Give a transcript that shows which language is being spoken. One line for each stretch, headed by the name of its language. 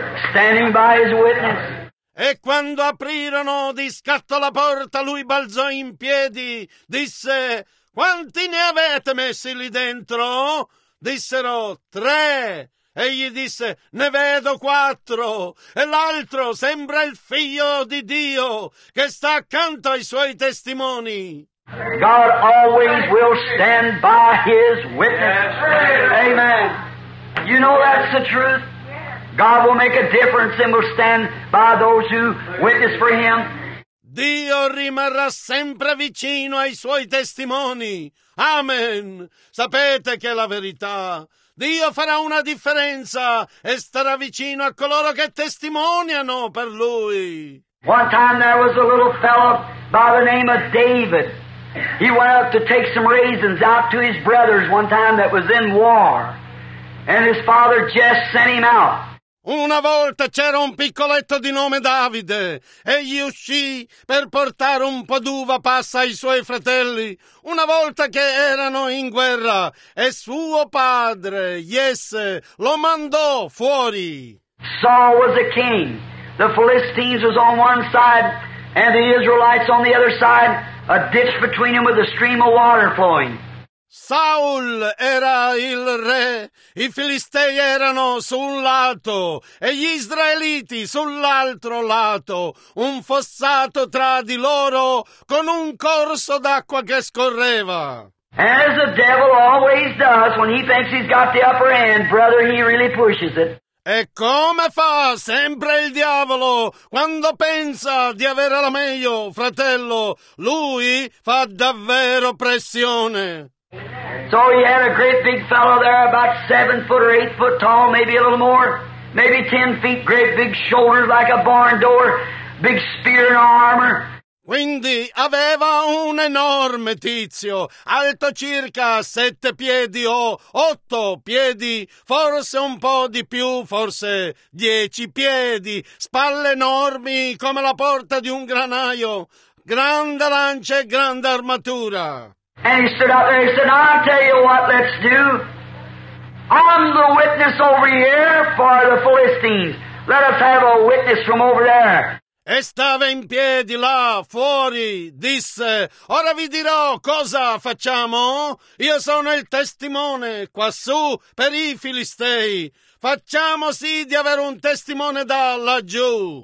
English: Standing by his witness.
Italian: E quando aprirono di scatto la porta, lui balzò in piedi, disse, quanti ne avete messi lì dentro? Dissero, tre. E gli disse, ne vedo quattro, e l'altro sembra il figlio di Dio, che sta accanto ai suoi testimoni.
English: God always will stand by his witness. Amen. You know that's the truth. God will make a difference and will stand by those who witness for him.
Italian: Dio rimarrà sempre vicino ai suoi testimoni. Amen. Sapete che è la verità. Dio farà una differenza e starà vicino a coloro che testimoniano per lui.
English: One time there was a little fellow by the name of David. He went up to take some raisins out to his brothers one time that was in war. And his father just sent him out.
Italian: Una volta c'era un piccoletto di nome Davide. Egli uscì per portare un po' d'uva passa ai suoi fratelli. Una volta che erano in guerra, e suo padre, Jesse, lo mandò fuori.
English: Saul was a king. The Philistines was on one side, and the Israelites on the other side, a ditch between them with a stream of water flowing.
Italian: Saul era il re, i Filistei erano su un lato e gli Israeliti sull'altro lato, un fossato tra di loro con un corso d'acqua che scorreva.
English: As the devil always does when he thinks he's got the upper hand, brother, he really pushes it.
Italian: E come fa sempre il diavolo quando pensa di avere la meglio, fratello? Lui fa davvero pressione.
English: So he had a great big fellow there, about 7 foot or 8 foot tall, maybe a little more, maybe 10 feet, great big shoulders like a barn door, big spear and armor.
Italian: Quindi aveva un enorme tizio, alto circa 7 piedi o 8 piedi, forse un po' di più, forse 10 piedi, spalle enormi come la porta di un granaio, grande lancia e grande armatura.
English: And he stood up there and said, I'll tell you what let's do. I'm the witness over here for the Philistines. Let us have a witness from over there.
Italian: E stava in piedi là fuori, disse, ora vi dirò cosa facciamo, io sono il testimone quassù per i Filistei, facciamo sì di avere un testimone da laggiù.